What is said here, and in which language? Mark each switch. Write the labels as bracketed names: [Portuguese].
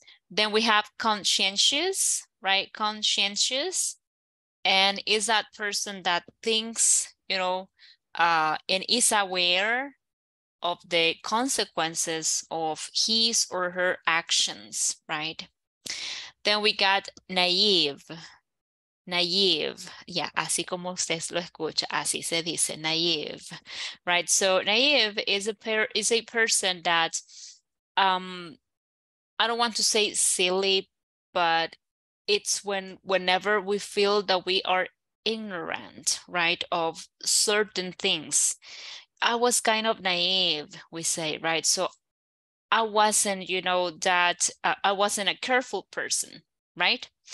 [English] Then we have conscientious, right? Conscientious. And is that person that thinks, you know, and is aware of the consequences of his or her actions, right? Then we got naive. Naive, yeah, [Spanish] así como usted lo escucha, así se dice, [English] naive, right? So naive is a person that, I don't want to say silly, but it's whenever we feel that we are ignorant, right, of certain things. I was kind of naive, we say, right? So I wasn't, you know, that I wasn't a careful person, right?